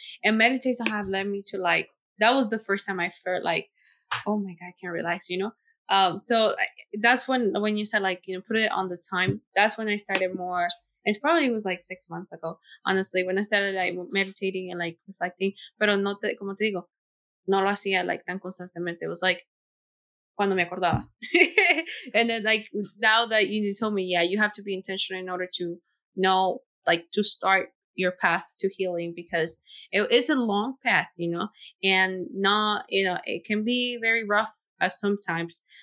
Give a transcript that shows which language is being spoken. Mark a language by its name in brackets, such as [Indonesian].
[English] And meditation have led me to, like, that was the first time I felt like, oh my God, I can't relax, you know? So that's when you said, like, you know, put it on the time. That's when I started more. It probably was like 6 months ago, honestly, when I started like meditating and like reflecting. [Spanish] Pero no te, como te digo, no lo hacía like tan constantemente. [English] It was like, [Spanish] cuando me acordaba. [English] And then, like, now that you told me, yeah, you have to be intentional in order to know, like, to start your path to healing, because it is a long path, you know, and not, you know, it can be very rough at sometimes.